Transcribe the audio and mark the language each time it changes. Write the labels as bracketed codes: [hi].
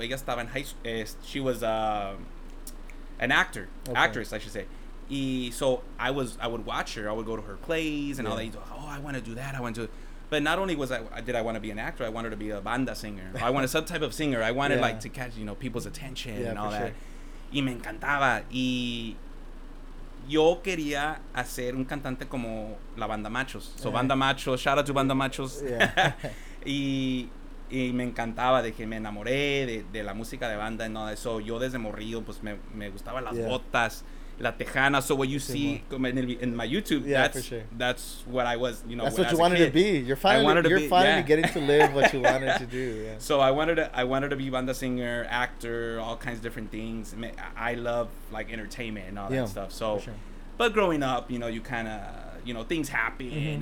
[es] Ella estaba en [en] high school. She was an actor. Okay. Actress, I should say. Y so, I would watch her. I would go to her plays and all that. Oh, I want to do that. I want to do it. But not only did I want to be an actor, I wanted to be a banda singer. I wanted some type of singer. I wanted, like, to catch, you know, people's attention and all that. [es] Sure. Y me encantaba. Y... yo quería hacer un cantante como la Banda Machos. [en] So, Banda Machos, shout out to Banda Machos. Yeah. [es] y me encantaba, me enamoré de la música de banda. [en] And all that. [es] So, yo desde morrillo, pues, me gustaban las botas, la tejana. [en] So, what you see in my YouTube, that's what I was, you know, that's what you wanted to be. You're finally getting to live what you wanted to do. Yeah. So, I wanted to be banda singer, actor, all kinds of different things. I love, like, entertainment and all that stuff. So, but growing up, you know, you kind of, you know, things happen. Mm-hmm.